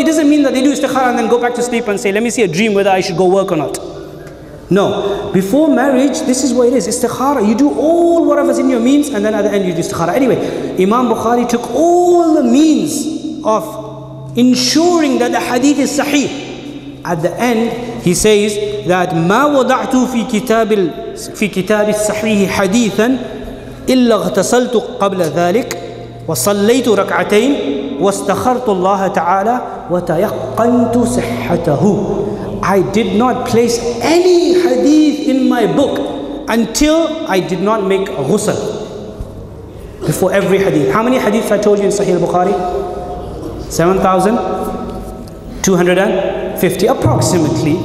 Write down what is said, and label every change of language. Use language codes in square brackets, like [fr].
[en] It doesn't mean that they do istikhara and then go back to sleep and say, let me see a dream whether I should go work or not. No. Before marriage, this is what it is. Istikhara. You do all whatever's in your means, and then at the end you do istikhara. Anyway, Imam Bukhari took all the means of ensuring that the hadith is sahih. At the end, he says that [ar] مَا وَضَعْتُ فِي كِتَابِ السَّحِيحِ حَدِيثًا إِلَّا اغْتَسَلْتُ قَبْلَ ذَلِكَ وَصَلَّيْتُ رَكْعَتَيْنِ وَاسْتَخَرْتُ اللَّهَ تَعَالَى وَتَيَقَّنْتُ صِحَّتَهُ. [en] I did not place any hadith in my book until I did not make a ghusl before every hadith. How many hadiths I told you in Sahih al-Bukhari? 7,250 approximately.